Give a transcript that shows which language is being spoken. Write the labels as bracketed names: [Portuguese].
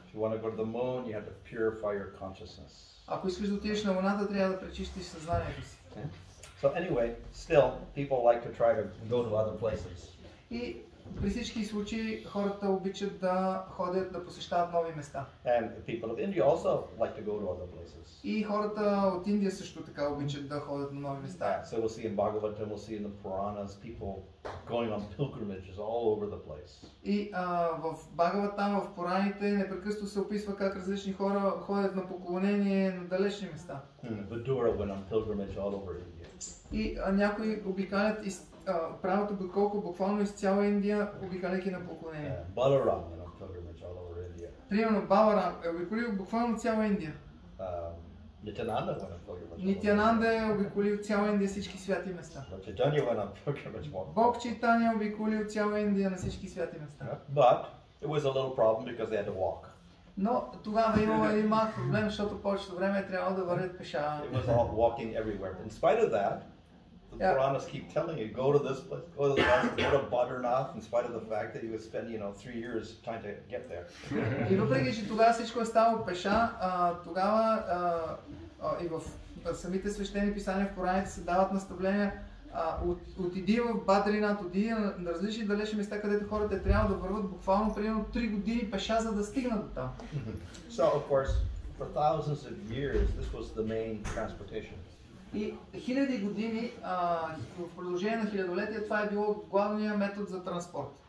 [English] If you want to go to the moon, you have to purify your consciousness. [Bulgarian] Ако искаш да отидеш на Луната, трябва да пречистиш съзнанието си. [English] So anyway, still, people like to try to go to other places. [Bulgarian] И При всички случаи хората обичат да ходят да посещават нови места. [English] And people of India also like to go to other places. [Bulgarian] И хората от Индия също така обичат да ходят на нови места. [English] So we'll see in Bhagavatam, we'll see in the Puranas, people going on pilgrimages all over the place. [Bulgarian] И в Бхагаватам, в Пураните непрекъснато се описва как различни хора ходят на поклонение на далечни места. [English] Vidura went on pilgrimage all over India. [Bulgarian] И някои обикалят из правото доколко буквално из цяла Индия обикаляйки на поклонение. [English] Баларам, you know, pilgrimage all over India. [Bulgarian] Примерно Баларам е обиколил буквално цяла Индия. [English] Нитянанда went on pilgrimage. [Bulgarian] Нитянанда е обиколил цяла Индия, всички святи места. [English] Чайтанья went on pilgrimage. [Bulgarian] Бог Чайтанья обиколил цяла Индия на всички святи места. [English] But it was a little problem because they had to walk. [Bulgarian] Но тогава имало един малък проблем, защото повечето време трябвало да вървят пеша. [English] It was all walking everywhere. In spite of that, the Puranas keep telling you, go to this place, go to the last, go to Badrnath, in spite of the fact that you would spend, you know, 3 years trying to get there. [Bulgarian] И въпреки, че тогава всичко е ставало пеша, тогава и в самите свещени писания в Пораните се дават наставления, отиди в Бадринат, отиди на различни далечни места, където хората трябва да върват буквално примерно 3 години пеша, за да стигнат до там. [English] So, of course, for thousands of years, this was the main transportation. [Bulgarian] И хиляди години, в продължение на хилядолетия, това е било главният метод за транспорт.